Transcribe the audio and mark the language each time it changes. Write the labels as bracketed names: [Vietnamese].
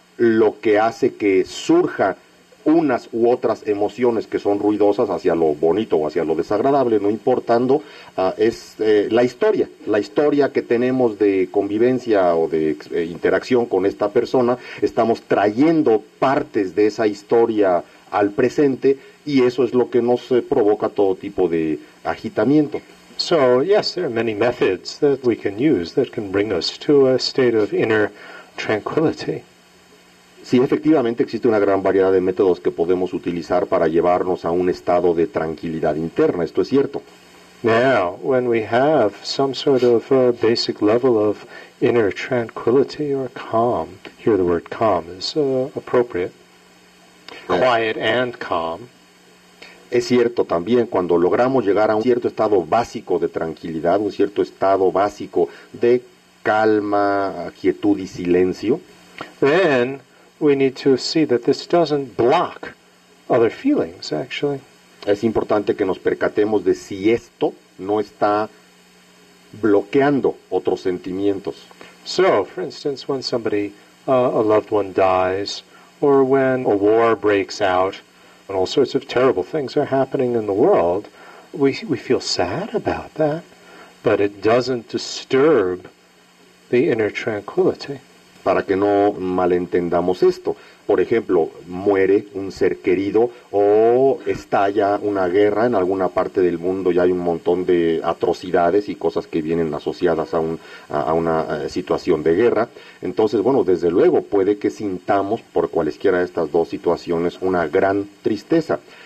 [Spanish] lo que hace que surja unas u otras emociones que son ruidosas hacia lo bonito o hacia lo desagradable, no importando, es la historia que tenemos de convivencia o de interacción con esta persona. Estamos trayendo partes de esa historia al presente y eso es lo que nos provoca todo tipo de agitamiento. [English] So, yes, there are many methods that we can use that can bring us to a state of inner tranquility. [Spanish] Sí, efectivamente existe una gran variedad de métodos que podemos utilizar para llevarnos a un estado de tranquilidad interna, esto es cierto. [English] Now, when we have some sort of a basic level of inner tranquility or calm, here the word calm is appropriate, quiet and calm. [Spanish] Es cierto también, cuando logramos llegar a un cierto estado básico de tranquilidad, un cierto estado básico de calma, quietud y silencio, [English] then we need to see that this doesn't block other feelings, actually. [Spanish] Es importante que nos percatemos de si esto no está bloqueando otros sentimientos. [English] So, for instance, when somebody, a loved one dies, or when a war breaks out, and all sorts of terrible things are happening in the world, we feel sad about that, but it doesn't disturb the inner tranquility. [Spanish] Para que no malentendamos esto. Por ejemplo, muere un ser querido o estalla una guerra en alguna parte del mundo y hay un montón de atrocidades y cosas que vienen asociadas a una situación de guerra. Entonces, bueno, desde luego puede que sintamos por cualesquiera de estas dos situaciones una gran tristeza.